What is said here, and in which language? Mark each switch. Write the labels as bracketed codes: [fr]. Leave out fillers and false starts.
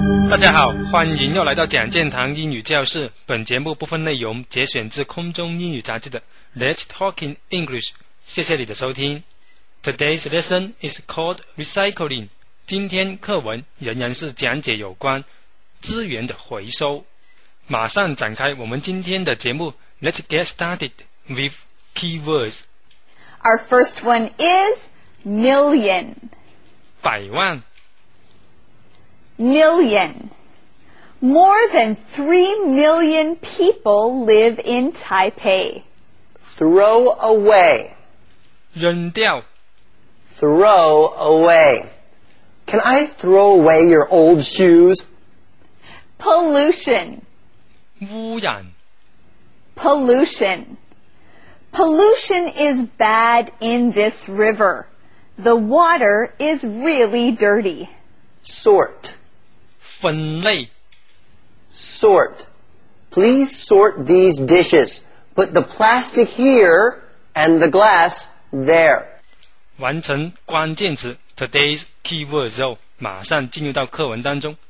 [zh] 大家好，欢迎又来到蒋建堂英语教室。本节目部分内容节选自空中英语杂志的 Let's Talk in English。谢谢你的收听。 [en] Today's lesson is called Recycling。 [zh] 今天课文仍然是讲解有关资源的回收。马上展开我们今天的节目。 [en] Let's get started with keywords. Our first one is million. [zh] 百万。 [en] Million. More than 3 million people live in Taipei. Throw away. [zh] 扔掉。 [en] Throw away. Can I throw away your old shoes? Pollution. [zh] 污染。 [en] Pollution. Pollution is bad in this river. The water is really dirty. Sort. [zh] 分类 [en] Sort. Please sort these dishes. Put the plastic here and the glass there. [zh] 完成关键词 [en] today's keywords [zh] 后，马上进入到课文当中。